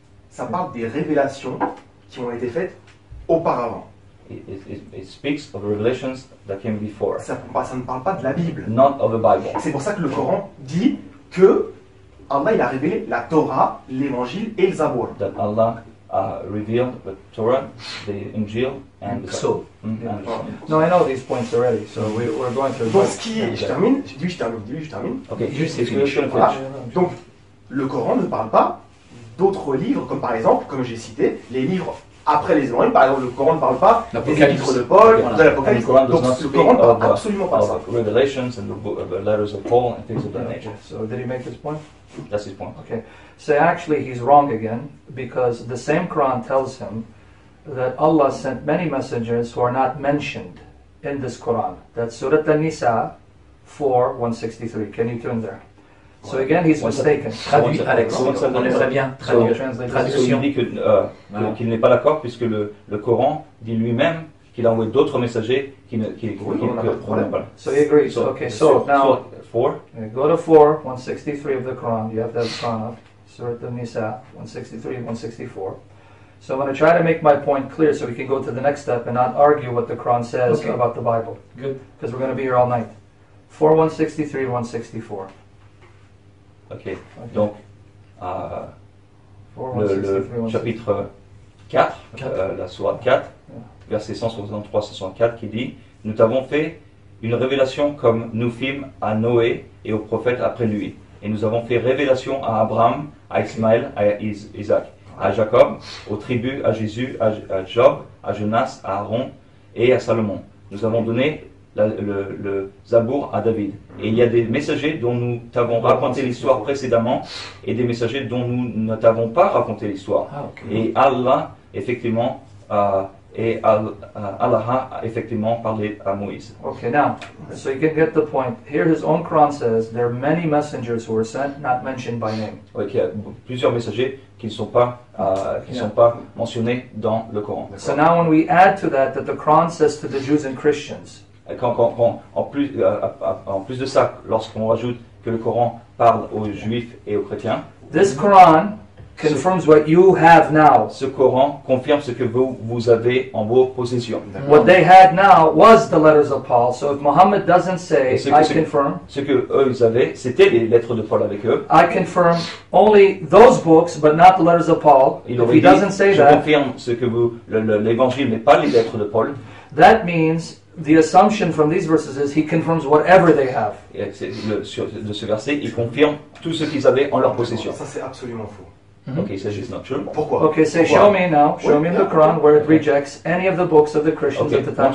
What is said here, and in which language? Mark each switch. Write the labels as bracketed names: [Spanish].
[French] Ça parle des révélations qui ont été faites auparavant. [English] It speaks of revelations that came before. [French] Ça ne parle pas de la Bible. [English] Not of the Bible. [French] C'est pour ça que le Coran dit que Allah il a révélé la Torah, l'Évangile et le Zabur. [English] That Allah revealed the Torah, the Injil and the Zabur. No, I know these points already, so we're going through. [French] Pour ce qui est, je termine. Ok, juste une question. Donc, le Coran ne parle pas d'autres livres, comme par exemple, comme j'ai cité, les livres après les Évangiles. Par exemple, le Coran ne parle pas des livres de Paul, de l'Apocalypse. Donc, le Coran ne parle absolument pas de ça. [English] Revelations and the letters of Paul and things of that nature. So, did he make this point? That's his point. Okay. So, actually, he's wrong again, because the same Quran tells him that Allah sent many messengers who are not mentioned in this Quran. That's Surah An-Nisa 4:163. Can you turn there? So again, he's mistaken. [French] Traduit, Alex. On est très bien. Traduction. Il dit qu'il n'est pas d'accord puisque le Coran dit lui-même qu'il a envoyé d'autres messagers qui n'ont pas le problème. [English] So he agrees. So, okay. So now, four. Go to 4:163 of the Quran. You have that Quran up. Surah An-Nisa 163:164. So I'm going to try to make my point clear so we can go to the next step and not argue what the Quran says about the Bible. Good. Because we're going to be here all night. 4:163:164. Okay. [French] Donc, le chapitre 4, la sourate 4, verset 163-164, qui dit « Nous t'avons fait une révélation comme nous fîmes à Noé et aux prophètes après lui. Et nous avons fait révélation à Abraham, à Ismaël, à Isaac, à Jacob, aux tribus, à Jésus, à Job, à Jonas, à Aaron et à Salomon. Nous avons donné le Zabur à David. Et il y a des messagers dont nous t'avons raconté l'histoire précédemment et des messagers dont nous ne t'avons pas raconté l'histoire. Et Allah, effectivement, effectivement parlé à Moïse. [English] Ok, now, so you can get the point. Here his own Quran says there are many messengers who were sent, not mentioned by name. [French] Ok, il y a plusieurs messagers qui ne sont pas, sont pas mentionnés dans le Coran. [English] So now when we add to that that the Quran says to the Jews and Christians, [French] En plus de ça, lorsqu'on rajoute que le Coran parle aux Juifs et aux chrétiens, [English] this Quran confirms what you have now. [French] Ce Coran confirme ce que vous avez en vos possessions. D'accord. [English] What they had now was the letters of Paul. So if Muhammad doesn't say, I confirm. [French] Ce que eux avaient, c'était les lettres de Paul avec eux. [English] I confirm only those books, but not the letters of Paul. If he doesn't say that. [French] Je confirme ce que vous, l'évangile, mais pas les lettres de Paul. [English] That means the assumption from these verses is he confirms whatever they have. [French] De ce verset, il confirme tout ce qu'ils avaient en leur possession. Ça, c'est absolument faux. [English] Mm-hmm. Okay, so it's not true. [French] Pourquoi? [English] Okay, say, show me now, show me in the Quran where it rejects any of the books of the Christians at the time.